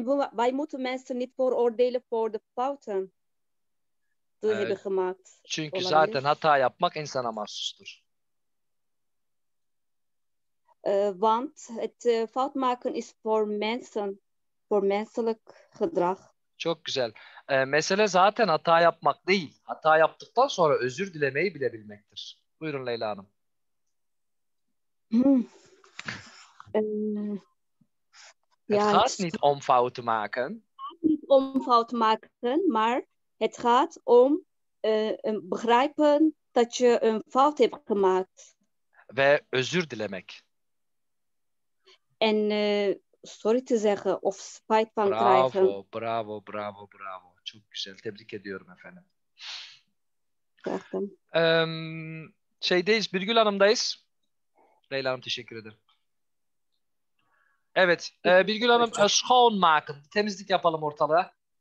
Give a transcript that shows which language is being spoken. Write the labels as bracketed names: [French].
[Dutch] Wij moeten mensen niet veroordelen voor de fouten die hebben gemaakt. [Turkish] Çünkü zaten hata yapmak insana mahsustur. [Dutch] want het fout maken is voor mensen, voor menselijk gedrag. [Turkish] Çok güzel. Mesele zaten hata yapmak değil. Hata yaptıktan sonra özür dilemeyi bilebilmektir. Buyurun Leyla Hanım. [Dutch] Het gaat niet om fout te maken. Niet om fout te maken, maar het gaat om begrijpen dat je een fout hebt gemaakt. [Turkish] Ve özür dilemek. [Dutch] En sorry te zeggen of spijt van bravo, krijgen. [Turkish] Bravo, bravo, bravo, bravo. Çok güzel. Tebrik ediyorum efendim. Gerçekten. Şeydeyiz, Birgül Hanım'dayız. Leyla Hanım teşekkür ederim. Evet, Birgül Hanım, schoonmaken. Temizlik yapalım ortalığa.